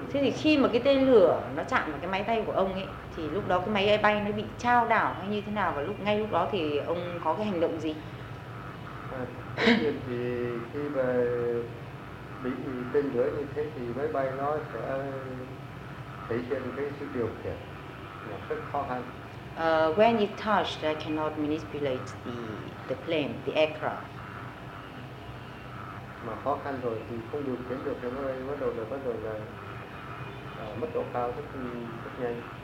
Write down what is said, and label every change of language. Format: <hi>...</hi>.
<vi>Thế thì khi mà cái tên lửa nó chạm vào cái máy bay của ông ấy, thì lúc đó cái máy bay nó bị chao đảo hay như thế nào, và lúc ngay lúc đó thì ông có cái hành động gì? Thì khi mà bị tên lửa như thế thì máy bay nó sẽ thể hiện cái sự điều khiển rất khó khăn.</vi> <en>When it touched, I cannot manipulate the plane, the aircraft.</en> <vi>Mà khó khăn rồi thì không điều khiển được cái máy bay, bắt đầu là mất độ cao rất nhanh.</vi>